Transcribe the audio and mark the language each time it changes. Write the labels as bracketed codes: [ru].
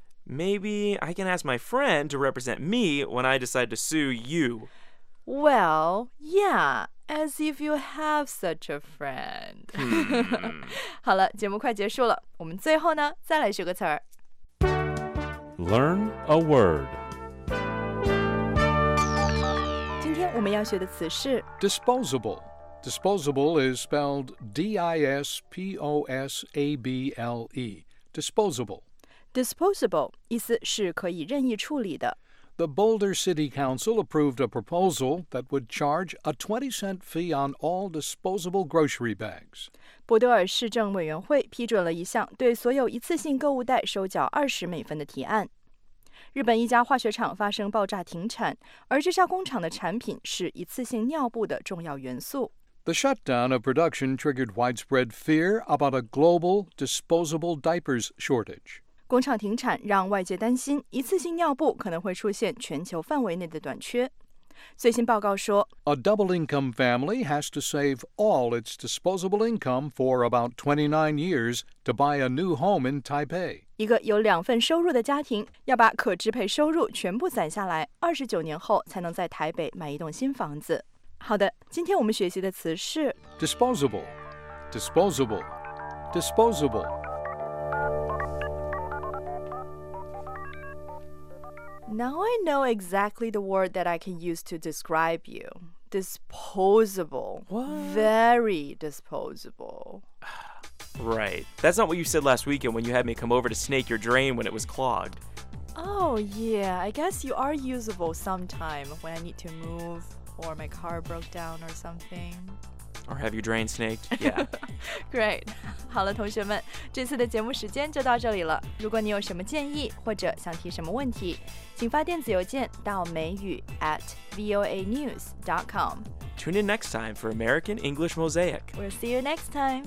[en] Maybe I can ask my friend to represent me when I decide to sue you. Well, yeah, as if you have such a friend. [zh] 好了，节目快结束了，我们最后呢，再来学个词儿。 [en] Learn a word. [zh] 今天我们要学的词是 [en] disposable. Disposable is spelled D-I-S-P-O-S-A-B-L-E. Disposable. [zh] Disposable 意思是可以任意处理的。 [en] The Boulder City Council approved a proposal that would charge a 20-cent fee on all disposable grocery bags. [zh] 博德尔市政委员会批准了一项对所有一次性购物袋收缴20美分的提案。日本一家化学厂发生爆炸停产，而这家工厂的产品是一次性尿布的重要元素。 [en] The shutdown of production triggered widespread fear about a global disposable diapers shortage. [zh] 工厂停产让外界担心一次性尿布可能会出现全球范围内的短缺。最新报告说 [en] A double income family has to save all its disposable income for about 29 years to buy a new home in Taipei. [zh] 一个有两份收入的家庭要把可支配收入全部攒下来29年后才能在台北买一栋新房子。好的，今天我们学习的词是 [en] Disposable Disposable Disposable Now I know exactly the word that I can use to describe you. Disposable. What? Very disposable. Right. That's not what you said last weekend when you had me come over to snake your drain when it was clogged. Oh, yeah. I guess you are usable sometime when I need to move or my car broke down or something. Or have you drain snaked? Yeah. Great. [zh] 好了，同学们，这次的节目时间就到这里了。如果你有什么建议或者想提什么问题，请发电子邮件到美语@voanews.com. [en] Tune in next time for American English Mosaic. We'll see you next time.